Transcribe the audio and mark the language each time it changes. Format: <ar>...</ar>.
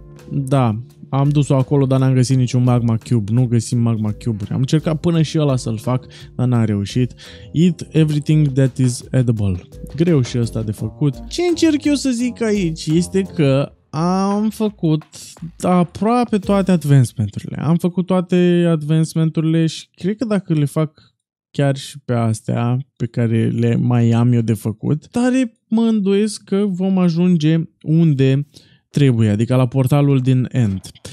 <ro>Da, am dus-o acolo, dar n-am găsit niciun magma cube. Nu găsim magma cube-uri. Am încercat până și ăla să-l fac, dar n-am reușit.</ro> <en>Eat everything that is edible.</en> <ro>Greu și ăsta de făcut. Ce încerc eu să zic aici este că am făcut aproape toate advancement-urile. Am făcut toate advancement-urile și cred că dacă le fac chiar și pe astea pe care le mai am eu de făcut, tare mă îndoiesc că vom ajunge unde trebuie, adică la portalul din End.</ro>